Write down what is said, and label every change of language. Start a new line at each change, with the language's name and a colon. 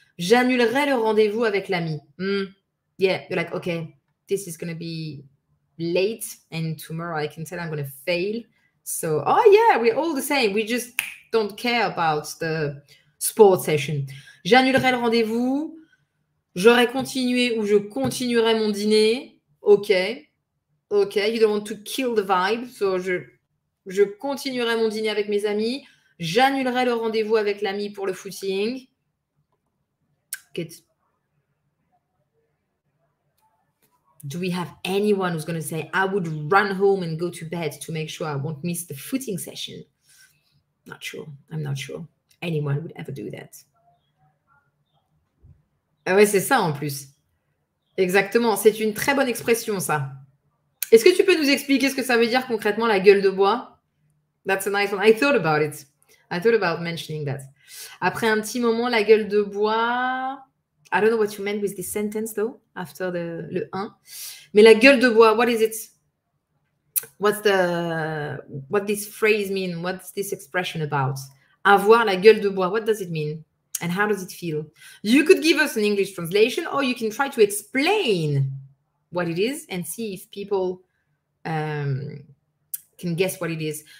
French: J'annulerai le rendez-vous avec l'ami.
English: Mm. Yeah, you're like, okay, this is going to be late and tomorrow I can tell I'm going to fail. So, oh yeah, we're all the same. We just don't care about the sports session.
French: J'annulerai le rendez-vous. J'aurais continué ou je continuerai mon dîner. Okay.
English: Okay, you don't want to kill the vibe.
French: So, je continuerai mon dîner avec mes amis. J'annulerai le rendez-vous avec l'ami pour le footing.
English: Do we have anyone who's going to say I would run home and go to bed to make sure I won't miss the footing session? Not sure. I'm not sure anyone would ever do that.
French: Ah ouais, c'est ça en plus. Exactement. C'est une très bonne expression, ça. Est-ce que tu peux nous expliquer ce que ça veut dire concrètement, la gueule de bois?
English: That's a nice one. I thought about it. I thought about mentioning that.
French: Après un petit moment, la gueule de bois...
English: I don't know what you meant with this sentence, though, after le 1.
French: Mais la gueule de bois,
English: what is it? What this phrase mean? What's this expression about? Avoir la gueule de bois, what does it mean? And how does it feel? You could give us an English translation, or you can try to explain what it is and see if people can guess what it is.